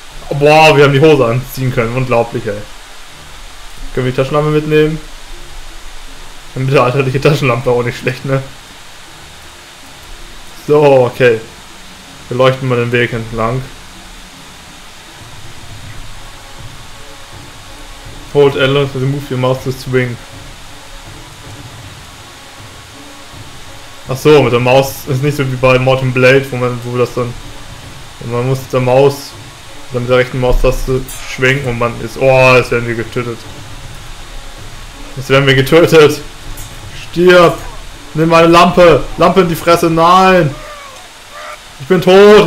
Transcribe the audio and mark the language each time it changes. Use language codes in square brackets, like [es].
[de] Boah, wir haben die Hose anziehen können. Unglaublich, ey. Können wir die Taschenlampe mitnehmen? Eine mittelalterliche Taschenlampe auch nicht schlecht, ne? So, okay. Wir leuchten mal den Weg entlang. [en] Hold L to move your mouse to swing. [de] Ach so, mit der Maus ist nicht so wie bei Mortal Blade, wo das dann. Und man muss mit der rechten Maustaste schwenken und man ist. Oh, jetzt werden wir getötet. Jetzt werden wir getötet. Stirb! Nimm meine Lampe! Lampe in die Fresse! Nein! Ich bin tot!